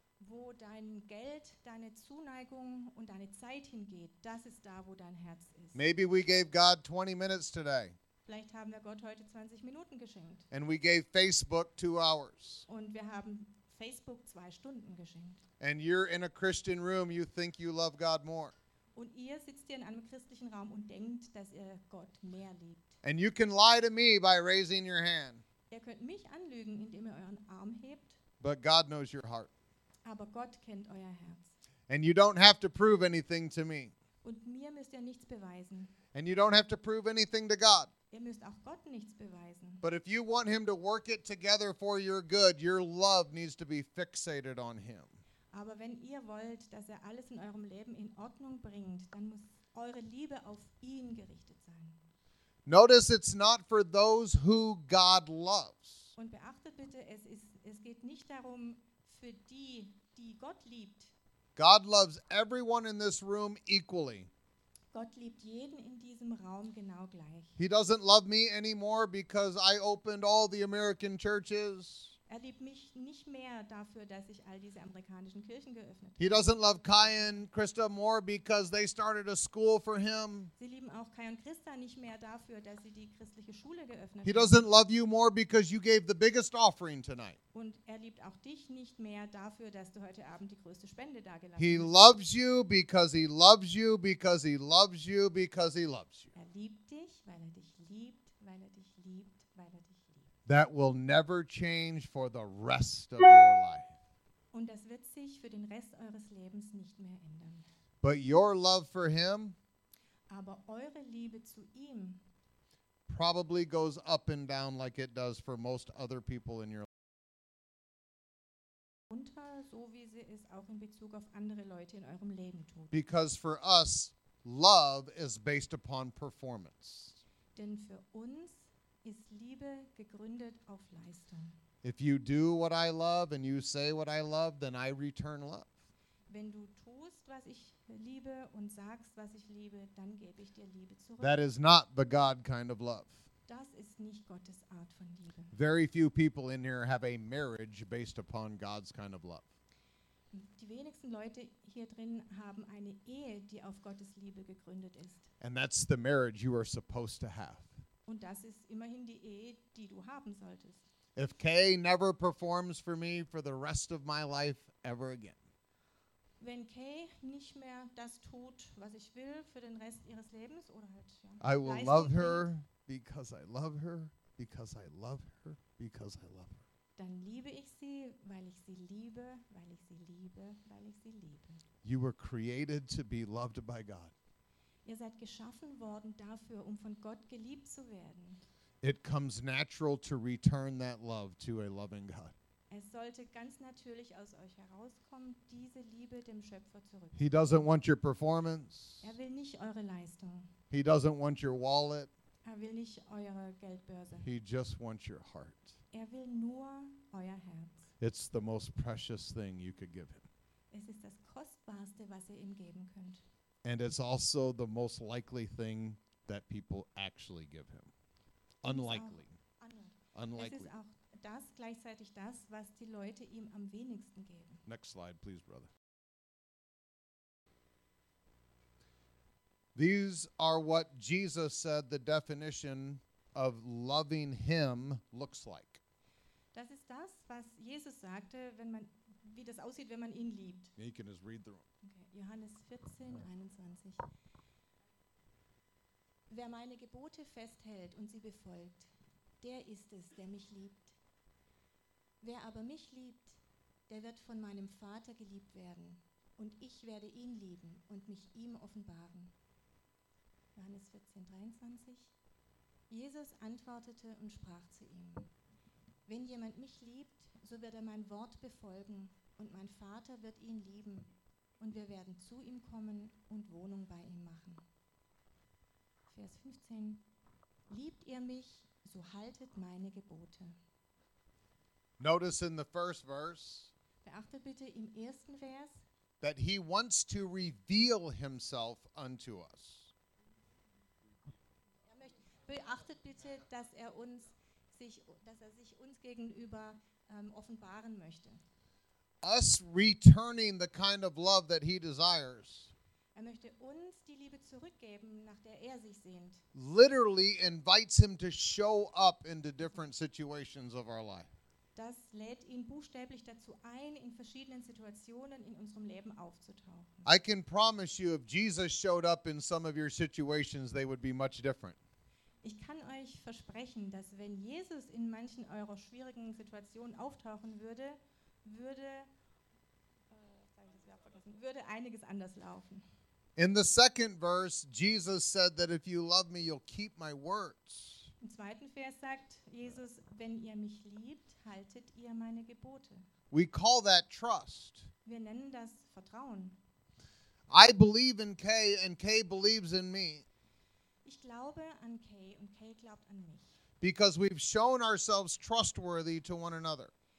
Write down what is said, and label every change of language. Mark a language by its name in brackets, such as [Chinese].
[German] Wo dein Geld, deine Zuneigung und deine Zeit hingeht, das ist da, wo dein Herz ist. [English] Maybe we gave God 20 minutes today. [German] Vielleicht haben wir Gott heute 20 Minuten geschenkt. [English] And we gave Facebook 2 hours. [German] Und wir haben Facebook 2 Stunden geschenkt. [English] And you're in a Christian room, you think you love God more. [German] Und ihr sitzt hier in einem christlichen Raum und denkt, dass ihr Gott mehr liebt. [English] And you can lie to me by raising your hand. [German] Ihr könnt mich anlügen, indem ihr euren Arm hebt. [English] But God knows your heart. [German] Aber Gott kennt euer Herz. [English] And you don't have to prove anything to me. [German] Und mir müsst ihr nichts beweisen. [English] And you don't have to prove anything to God. [German] Ihr müsst auch Gott nichts beweisen. [English] But if you want him to work it together for your good, your love needs to be fixated on him. [German] Aber wenn ihr wollt, dass er alles in eurem Leben in Ordnung bringt, dann muss eure Liebe auf ihn gerichtet sein. [English] Notice it's not for those who God loves. [German] Und beachtet bitte, es geht nicht darum für die, die Gott liebt. [English] God loves everyone in this room equally. [German] Gott liebt jeden in diesem Raum genau gleich. [English] He doesn't love me anymore because I opened all the American churches. [German] Er liebt mich nicht mehr dafür, dass ich all diese amerikanischen Kirchen geöffnet habe. [English] He doesn't love Kai and Krista more because they started a school for him. [German] Sie lieben auch Kai und Krista nicht mehr dafür, dass sie die christliche Schule geöffnet [English] He [German] haben. [English] Doesn't love you more because you gave the biggest offering tonight. [German] Und er liebt auch dich nicht mehr dafür, dass du heute Abend die größte Spende dargelassen hast. [English] He loves you because he loves you because he loves you because he loves you. [German] Er liebt dich, weil er dich liebt, weil er dich [English] That will never change for the rest of your life. [German] Und das wird sich für den Rest eures Lebens nicht mehr ändern. [English] But your love for him, [German] aber eure Liebe zu ihm, [English] probably goes up and down like it does for most other people in your life. [German] Unter, so wie sie es auch in Bezug auf andere Leute in eurem Leben tut. [English] Because for us, love is based upon performance. [German] Denn für uns ist Liebe gegründet auf Leistung. [English] If you do what I love and you say what I love, then I return love. [German] Wenn du tust, was ich liebe und sagst, was ich liebe, dann gebe ich dir Liebe zurück. [English] That is not the God kind of love. [German] Das ist nicht Gottes Art von Liebe. [English] Very few people in here have a marriage based upon God's kind of love. [German] Die wenigsten Leute hier drin haben eine Ehe, die auf Gottes Liebe gegründet ist. [English] And that's the marriage you are supposed to have. [German] Und das ist immerhin die Ehe, die du haben solltest. [English] If Kay never performs for me for the rest of my life ever again. [German] Wenn Kay nicht mehr das tut, was ich will für den Rest ihres Lebens oder halt ja. [English] I will love her because I love her because I love her because I love her. [German] Dann liebe ich sie, weil ich sie liebe, weil ich sie liebe, weil ich sie liebe. [English] You were created to be loved by God. [German] Ihr seid geschaffen worden dafür, um von Gott geliebt zu werden. [English] It comes natural to return that love to a loving God. [German] Es sollte ganz natürlich aus euch herauskommen, diese Liebe dem Schöpfer zurück. [English] He doesn't want your performance. [German] Er will nicht eure Leistung. [English] He doesn't want your wallet. [German] Er will nicht eure Geldbörse. [English] He just wants your heart. [German] Er will nur euer Herz. [English] It's the most precious thing you could give him. [German] Es ist das Kostbarste, was ihr ihm geben könnt. [English] And it's also the most likely thing that people actually give him. Unlikely. Unlikely. [German] Das gleichzeitig das, was die Leute ihm am wenigsten geben. [English] Next slide, please, brother. These are what Jesus said the definition of loving him looks like. [German] Das ist das, was Jesus sagte, wenn man, wie das aussieht, wenn man ihn liebt. [English] You can just read the room. [German] Okay. Johannes 14, 21. Wer meine Gebote festhält und sie befolgt, der ist es, der mich liebt. Wer aber mich liebt, der wird von meinem Vater geliebt werden. Und ich werde ihn lieben und mich ihm offenbaren. Johannes 14, 23. Jesus antwortete und sprach zu ihm: Wenn jemand mich liebt, so wird er mein Wort befolgen. Und mein Vater wird ihn lieben. Und wir werden zu ihm kommen und Wohnung bei ihm machen. Vers 15. Liebt ihr mich, so haltet meine Gebote. [English] Notice in the first verse, [German] beachte bitte im ersten Vers, [English] that he wants to reveal himself unto us. [German] Beachtet bitte, dass er uns sich, dass er sich uns gegenüber offenbaren möchte. [English] Us returning the kind of love that he desires. [German] Er möchte uns die Liebe zurückgeben, nach der er sich sehnt. [English] Literally invites him to show up into different situations of our life. [German] Das lädt ihn buchstäblich dazu ein, in verschiedenen Situationen in unserem Leben aufzutauchen. [English] I can promise you, if Jesus showed up in some of your situations, they would be much different. [German] Ich kann euch versprechen, dass wenn Jesus in manchen eurer schwierigen Situationen auftauchen würde, würde einiges anders laufen. [English] In the second verse, Jesus said that if you love me, you'll keep my words. [German] Im zweiten Vers sagt Jesus, wenn ihr mich liebt, haltet ihr meine Gebote. [English] We call that trust. [German] Wir nennen das Vertrauen. [English] I believe in Kay and Kay believes in me. [German] Ich glaube an Kay und Kay glaubt an mich. [English] Because we've shown ourselves trustworthy to one another.